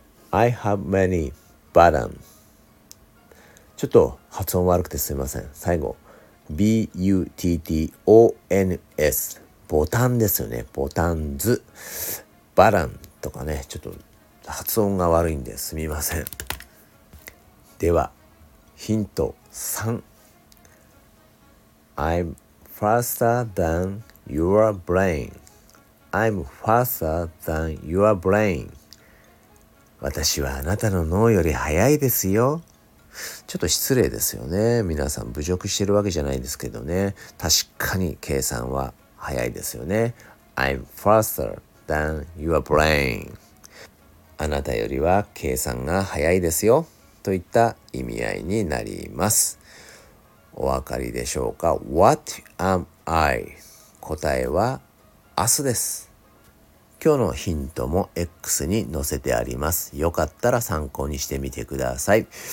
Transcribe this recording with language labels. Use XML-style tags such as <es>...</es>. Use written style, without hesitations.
<en>I have many buttons.</en> <ja>ちょっと発音悪くてすみません。最後 B-U-T-T-O-N-S、 ボタンですよね。ボタンズ、バランとかね、ちょっと発音が悪いんですみません。</ja> <en>ではヒント3、 I'm faster than your brain. I'm faster than your brain.</en> <ja>私はあなたの脳より速いですよ。ちょっと失礼ですよね。皆さん侮辱してるわけじゃないんですけどね。確かに計算は早いですよね。</ja> <en>I'm faster than your brain.</en> <ja>あなたよりは計算が早いですよ、といった意味合いになります。お分かりでしょうか。</ja> <en>What am I?</en> <ja>答えは明日です。今日のヒントも X に載せてあります。よかったら参考にしてみてください。</ja>